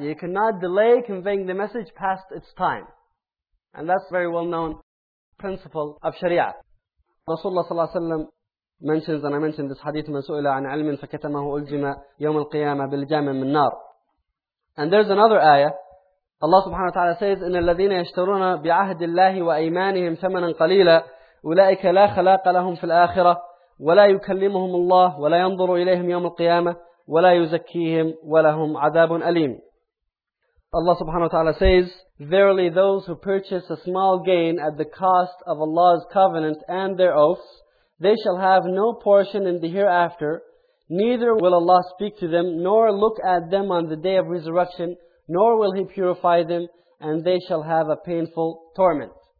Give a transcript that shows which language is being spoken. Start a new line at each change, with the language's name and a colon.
English: You cannot delay conveying the message past its time. And that's a very well-known principle of Sharia. Rasulullah sallallahu alayhi wa sallam mentions, and I mentioned this hadith,
Arabic: من سئل عن علم فكتمه ألجم يوم القيامة بالجامع من النار.
English: And there's another ayah. Allah subhanahu wa ta'ala says,
Arabic: إن الذين يشترون بعهد الله وأيمانهم ثمنا قليلا أولئك لا خلاق لهم في الآخرة ولا يكلمهم الله ولا ينظر إليهم يوم القيامة ولا يزكيهم ولهم عذاب أليم.
English: Allah subhanahu wa ta'ala says, verily those who purchase a small gain at the cost of Allah's covenant and their oaths, they shall have no portion in the hereafter, neither will Allah speak to them, nor look at them on the day of resurrection, nor will He purify them, and they shall have a painful torment.